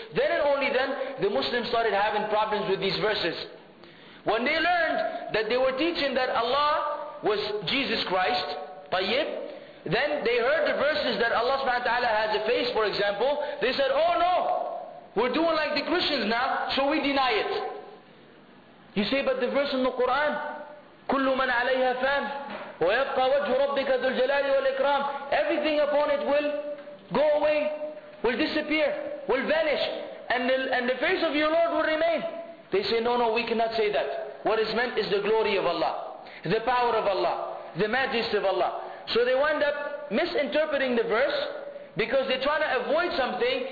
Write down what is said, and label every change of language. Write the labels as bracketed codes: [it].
[en] Then and only then, the Muslims started having problems with these verses. When they learned that they were teaching that Allah was Jesus Christ, [ar] طيب, [en] then they heard the verses that Allah subhanahu wa ta'ala has a face, for example. They said, oh no, we're doing like the Christians now, so we deny it. You say, but the verse in the Quran, [ar] كُلُّ مَنْ عَلَيْهَا فَانْ وَيَبْقَى وَجْهُ رَبِّكَ ذُو الْجَلَالِ وَالْإِكْرَامِ. [en] Everything upon it will go away, will disappear, will vanish, and the face of your Lord will remain. They say, no, we cannot say that. What is meant is the glory of Allah, the power of Allah, the majesty of Allah. So they wind up misinterpreting the verse because they're trying to avoid something.